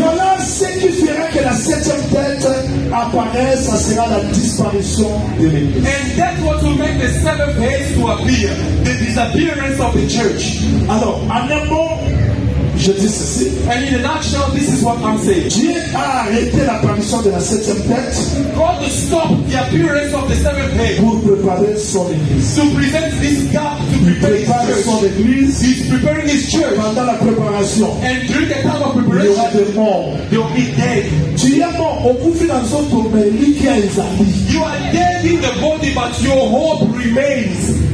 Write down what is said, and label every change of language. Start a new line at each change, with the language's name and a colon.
French: Voilà ce qui fera que la septième tête apparaît, ça sera la disparition de l'église.
English: And that's what will make the seventh head to appear, the disappearance of the church.
French: Alors, en un mot, je dis ceci.
English: And in a nutshell, this is what I'm saying.
French: Dieu a arrêté l'apparition de la septième tête.
English: God stopped the appearance of the seventh head.
French: Pour préparer son église.
English: To present this gap to prepare his church. Son église. He's preparing his church.
French: Pendant la préparation.
English: And during the time of preparation.
French: Il y aura des morts.
English: They'll be dead.
French: Tu es mort. On vous fait dans son tombé.
English: You are dead in the body, but your hope remains.